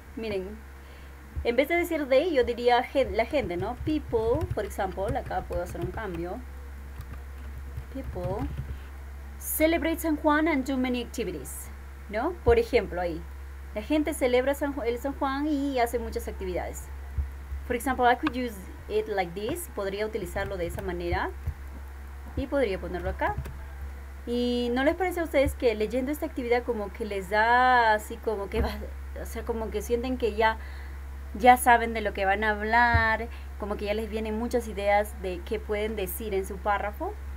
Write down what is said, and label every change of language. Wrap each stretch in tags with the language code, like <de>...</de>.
<es>Miren, en vez de decir they, yo diría la gente, ¿no? People, por ejemplo, acá puedo hacer un cambio.</es> <en>People celebrate San Juan and do many activities,</en> <es>¿no? Por ejemplo, ahí. La gente celebra el San Juan y hace muchas actividades.</es> <en>For example, I could use it like this.</en> <es>Podría utilizarlo de esa manera. Y podría ponerlo acá. ¿Y no les parece a ustedes que leyendo esta actividad como que les da así como que va, o sea, como que sienten que ya saben de lo que van a hablar, como que ya les vienen muchas ideas de qué pueden decir en su párrafo?</es>